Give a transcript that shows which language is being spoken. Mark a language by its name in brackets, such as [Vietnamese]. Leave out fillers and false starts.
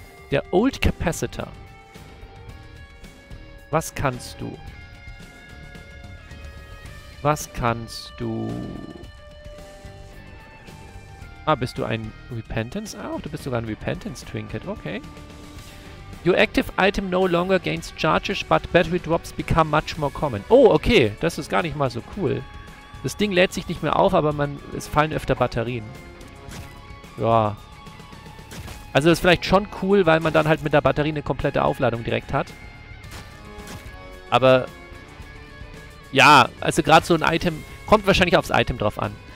[German] Der Old Capacitor. Was kannst du? Was kannst du? Ah, bist du ein Repentance? Auch? Du bist sogar ein Repentance Trinket. Okay. [English] Your active item no longer gains charges, but battery drops become much more common. Oh, okay. [German] Das ist gar nicht mal so cool. Das Ding lädt sich nicht mehr auf, aber es fallen öfter Batterien. Ja. Also das ist vielleicht schon cool, weil man dann halt mit der Batterie eine komplette Aufladung direkt hat. Aber ja, also gerade so ein Item kommt wahrscheinlich aufs Item drauf an.